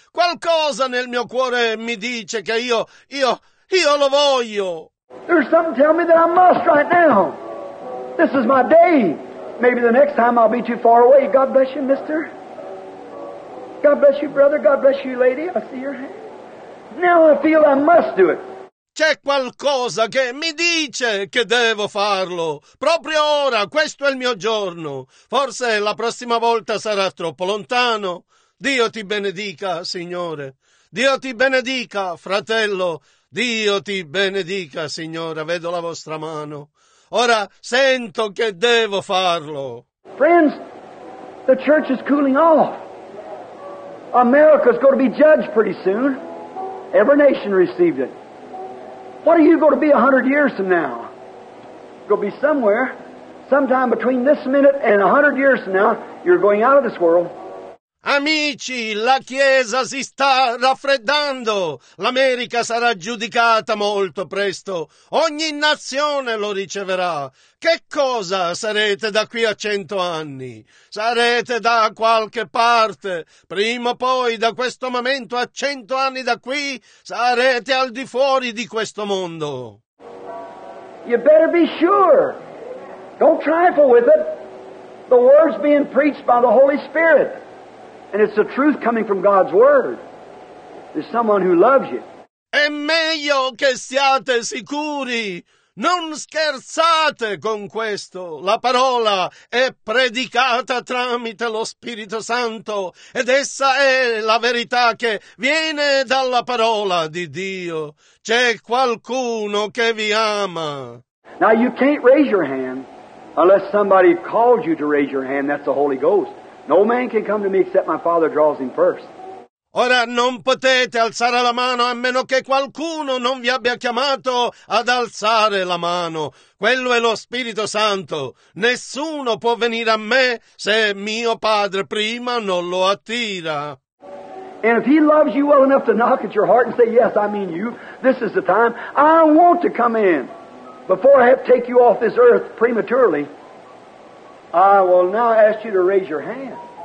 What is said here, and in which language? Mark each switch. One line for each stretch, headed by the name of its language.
Italian: Qualcosa nel mio cuore mi dice che io lo voglio.
English: There's something telling me that I must right now. This is my day. Maybe the next time I'll be too far away. God bless you, mister. God bless you, brother. God bless you, lady. I see your hand. Now I feel I must do it.
Italian: C'è qualcosa che mi dice che devo farlo. Proprio ora, questo è il mio giorno. Forse la prossima volta sarà troppo lontano. Dio ti benedica, Signore. Dio ti benedica, fratello. Dio ti benedica, Signora. Vedo la vostra mano. Ora sento che devo farlo.
English: Friends, the church is cooling off. America's going to be judged pretty soon. Every nation received it. What are you going to be 100 years from now? You're going to be somewhere. Sometime between this minute and 100 years from now, you're going out of this world.
Italian: Amici, la Chiesa si sta raffreddando. L'America sarà giudicata molto presto. Ogni nazione lo riceverà. Che cosa sarete da qui a 100 anni? Sarete da qualche parte. Prima o poi, da questo momento a 100 anni da qui, sarete al di fuori di questo mondo.
English: You better be sure. Don't trifle with it. The word's being preached by the Holy Spirit. And it's the truth coming from God's Word. There's someone who loves you.
Italian: È meglio che siate sicuri. Non scherzate con questo. La parola è predicata tramite lo Spirito Santo. Ed essa è la verità che viene dalla parola di Dio. C'è qualcuno che vi ama.
English: Now you can't raise your hand unless somebody called you to raise your hand. That's the Holy Ghost. No man can come to me except my Father draws him first.
Italian: Ora non potete alzare la mano a meno che qualcuno non vi abbia chiamato ad alzare la mano. Quello è lo Spirito Santo. Nessuno può venire a me se mio Padre prima non lo attira.
English: And if he loves you well enough to knock at your heart and say, yes, I mean you, this is the time, I want to come in before I have to take you off this earth prematurely. I will now ask you to raise your hand.